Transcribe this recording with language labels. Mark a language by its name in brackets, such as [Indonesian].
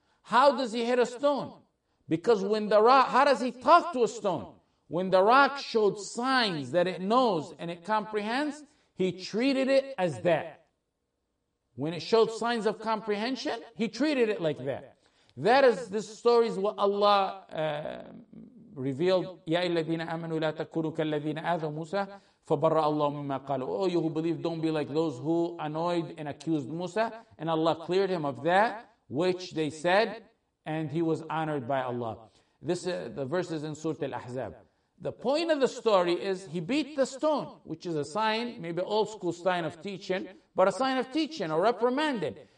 [English] How does he hit a stone? Because when the rock, how does he talk to a stone? When the rock showed signs that it knows and it comprehends, he treated it as that. When it showed signs of comprehension, he treated it like that. That is, this story is what Allah revealed, [Arabic] يَا الَّذِينَ آمَنُوا لَا تَكُونُوا كَالَّذِينَ آذَوا مُوسَى فَبَرَّأَ اللَّهُ مِمَّا قَالُوا. [English] Oh, you who believe, don't be like those who annoyed and accused Musa. And Allah cleared him of that which they said, and he was honored by Allah. This is the verses in Surah Al-Ahzab. The point of the story is he beat the stone, which is a sign, maybe old school sign of teaching, but a sign of teaching or reprimanding.